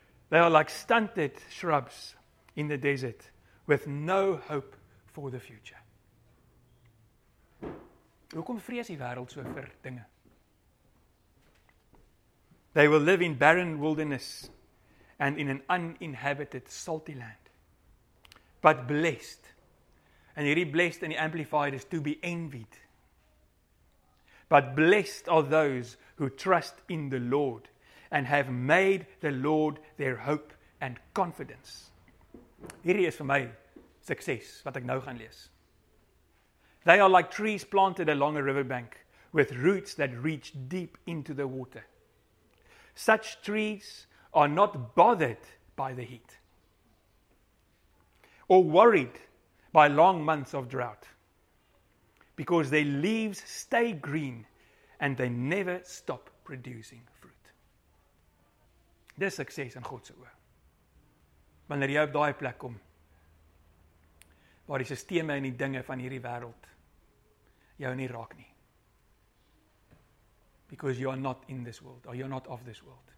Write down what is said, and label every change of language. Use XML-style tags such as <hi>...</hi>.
<en>They are like stunted shrubs in the desert with no hope for the future.</en> <af>Hoekom vrees die wêreld so vir dinge?</af> <en>They will live in barren wilderness and in an uninhabited salty land. But blessed, and</en> <af>hierdie blessed in die Amplified</af> <en>is to be envied. But blessed are those who trust in the Lord and have made the Lord their hope and confidence.</en> <af>Hierdie is vir my sukses wat ek nou gaan lees.</af> <en>They are like trees planted along a riverbank with roots that reach deep into the water. Such trees are not bothered by the heat or worried by long months of drought because their leaves stay green and they never stop producing fruit.</en> <af>Dis sukses in God se oë. Wanneer jy op daai plek kom waar die sisteme en die dinge van hierdie wêreld jou nie raak nie.</af> <en>Because you are not in this world, or you are not of this world.</en>